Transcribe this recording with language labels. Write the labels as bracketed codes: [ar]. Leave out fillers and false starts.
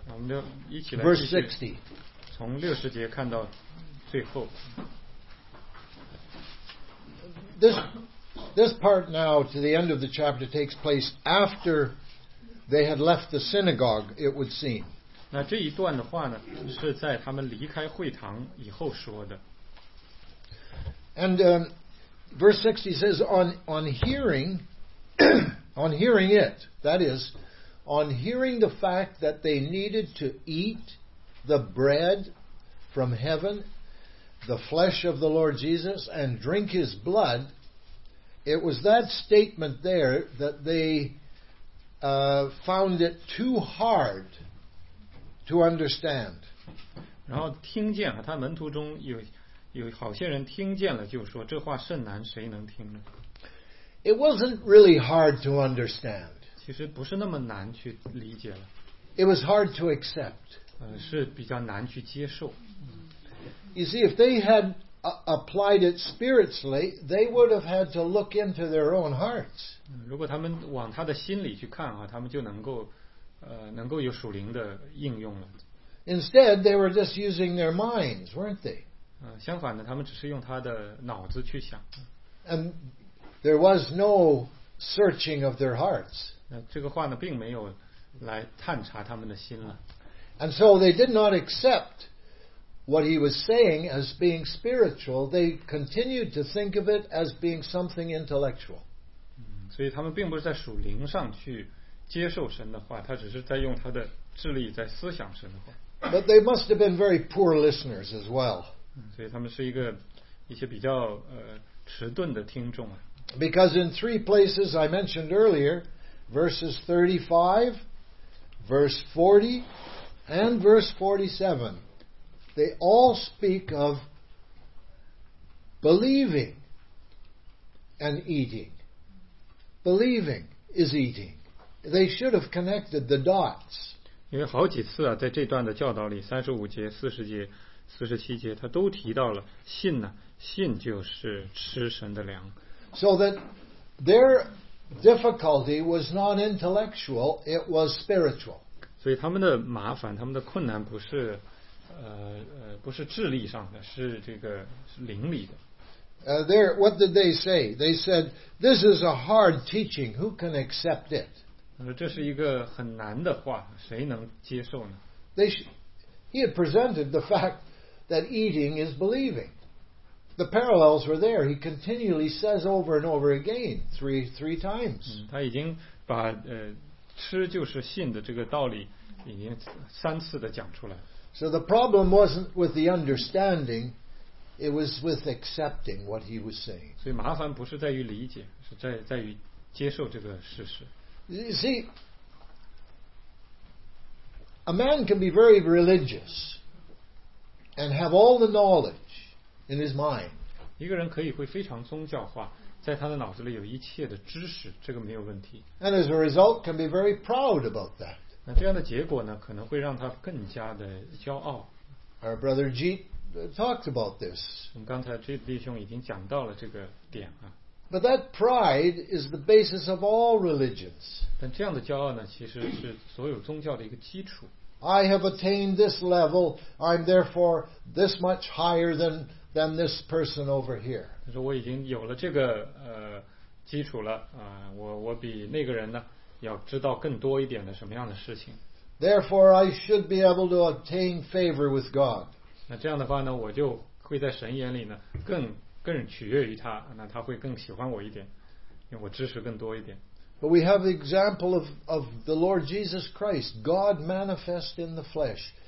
[zh] 我们就一起来。 [en] Verse 60. [zh] 从六十节看到最后。 [en] This part now to the end of the chapter takes place after they had left the synagogue, it would seem. [zh] 那这一段的话呢，是在他们离开会堂以后说的。 [en] And verse 60 says, on hearing the fact that they needed to eat the bread from heaven, the flesh of the Lord Jesus, and drink His blood, it was that statement there that they found it too hard. To understand. [zh] 然后听见他门徒中有好些人听见了，就说这话甚难，谁能听呢？ [en] It wasn't really hard to understand. [zh] 其实不是那么难去理解了。 [en] It was hard to accept. [zh] 是比较难去接受。 [en] You see, if they had applied it spiritually, they would have had to look into their own hearts. [zh] 如果他们往他的心里去看啊，他们就能够。能够有属灵的应用了。 [en] Instead, they were just using their minds, weren't they? [zh] 相反的，他们只是用他的脑子去想。 [en] And there was no searching of their hearts. [zh] 这个话呢，并没有来探查他们的心了。 [en] And so they did not accept what he was saying as being spiritual. They continued to think of it as being something intellectual. [zh] 所以他们并不是在属灵上去。接受神的话，他只是在用他的智力在思想神的话。 [en] But they must have been very poor listeners as well. [zh] 所以他们是一个一些比较迟钝的听众啊。 [en] Because in three places I mentioned earlier, verses 35, verse 40, and verse 47, they all speak of believing and eating. Believing is eating. They should have connected the dots. [zh] 因为好几次啊，在这段的教导里，三十五节、四十节、四十七节，他都提到了信呢、啊，信就是吃神的粮。 [en] So that their difficulty was not intellectual, it was spiritual. [zh] 所以他们的麻烦，他们的困难不是不是智力上的，是这个是灵里的。 [en] There, what did they say? They said, "This is a hard teaching. Who can accept it?" [zh] 这是一个很难的话，谁能接受呢？ [en] He had presented the fact that eating is believing. The parallels were there. He continually says over and over again, three times. [zh] 他已经把吃就是信的这个道理已经三次的讲出来。 [en] So the problem wasn't with the understanding. It was with accepting what he was saying. [zh] 所以麻烦不是在于理解，是在于接受这个事实。 [en] You see, a man can be very religious and have all the knowledge in his mind. [zh] 一个人可以会非常宗教化，在他的脑子里有一切的知识，这个没有问题。 [en] And as a result, can be very proud about that. [zh] 那这样的结果呢，可能会让他更加的骄傲。 [en] Our brother Jeet talked about this. [zh] 我们刚才这弟兄已经讲到了这个点啊。 [en] But that pride is the basis of all religions. [zh] 但这样的骄傲呢，其实是所有宗教的一个基础。 [en] I have attained this level. I'm therefore this much higher than this person over here. [zh] 他说我已经有了这个基础了啊，我比那个人呢要知道更多一点的什么样的事情。 [en] Therefore, I should be able to obtain favor with God. [zh] 那这样的话呢，我就会在神眼里呢更取悦于他，那他会更喜欢我一点，因为我知识更多一点。 [en] But we have the example of the Lord Jesus Christ, God manifest in the flesh.